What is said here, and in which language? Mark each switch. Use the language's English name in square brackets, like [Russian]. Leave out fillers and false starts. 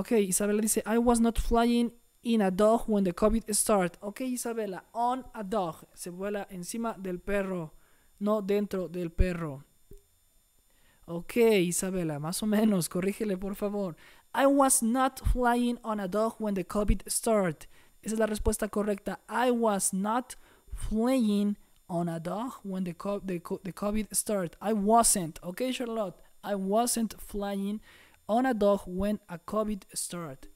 [English] Ok, Isabela [Spanish] dice, [English] I was not flying in a dog when the COVID started. Ok, Isabela, on a dog. [Spanish] Se vuela encima del perro, no dentro del perro. Ok, Isabela, más o menos, corrígele por favor. [English] I was not flying on a dog when the COVID start. [Spanish] Esa es la respuesta correcta. [English] I was not flying on a dog when the COVID start. I wasn't. Okay, Charlotte. I wasn't flying on a dog when a COVID start.